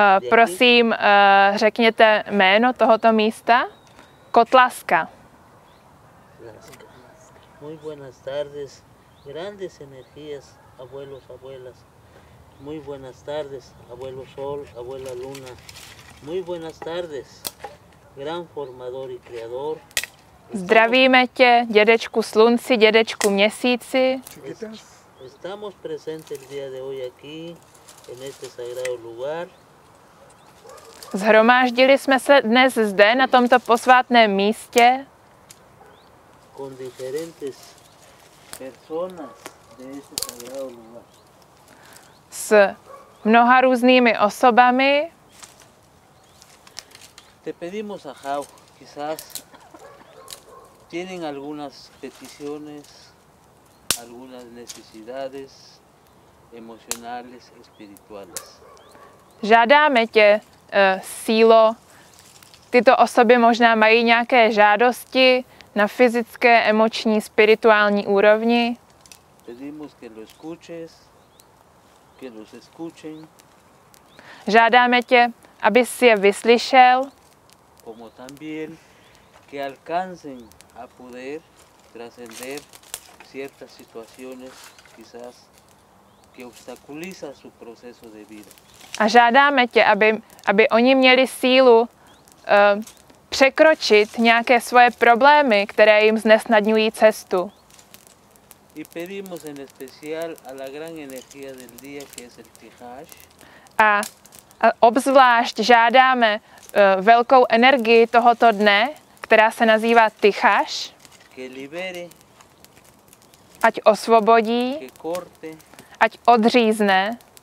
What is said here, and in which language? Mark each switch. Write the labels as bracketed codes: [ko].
[cs] Prosím, řekněte jméno tohoto místa. Kotlaska. [es] Muy buenas tardes, grandes energías, abuelos, abuelas. Muy buenas tardes, abuelo sol, abuela luna. Muy buenas tardes, gran formador y creador. [cs] Zdravíme tě, dědečku slunci, dědečku měsíci. [es] Estamos presentes el día de hoy aquí, en este sagrado lugar. [cs] Zhromáždili jsme se dnes zde, na tomto posvátném místě. [es] Con diferentes personas de este sagrado lugar. [cs] S mnoha různými osobami. [es] Te pedimos a Jau, quizás... Tienen algunas peticiones, algunas necesidades emocionales, espirituales. [cs] Žádáme tě, sílo. Tyto osoby možná mají nějaké žádosti na fyzické, emoční, spirituální úrovni. [es] Pedimos que lo escuches, que los escuchen. [cs] Žádáme tě, abys je vyslyšel. [es] Como también que alcancen a poder trascender ciertas situaciones quizás que obstaculiza su proceso de vida. [cs] A žádáme tě, aby oni měli sílu překročit nějaké svoje problémy, které jim znesnadňují cestu. [es] Y pedimos en especial a la gran energía del día que es el Tihash. [cs] A obzvlášť žádáme velkou energii tohoto dne, která se nazývá Tichaš, ať osvobodí, ať odřízne,